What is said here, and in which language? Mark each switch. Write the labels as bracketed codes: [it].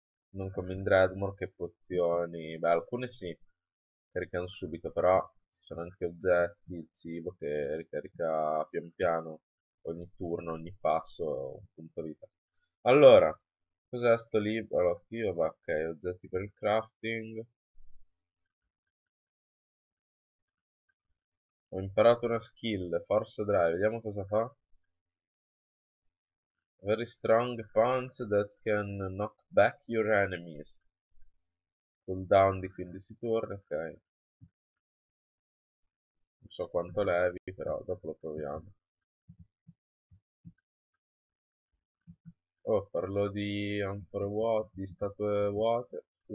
[it] Non come in Dreadmore che pozioni, beh, alcune sì, caricano subito, però ci sono anche oggetti, il cibo che ricarica pian piano ogni turno, ogni passo, un punto vita. Allora, cos'è sto libro? Allora, io, ok, oggetti per il crafting. Ho imparato una skill, Force Drive, vediamo cosa fa. [en] Very strong punch that can knock back your enemies. [it] Cooldown di 15 turni, ok. Non so quanto levi, però dopo lo proviamo. Oh, parlo di anfore vuote, di statue vuote.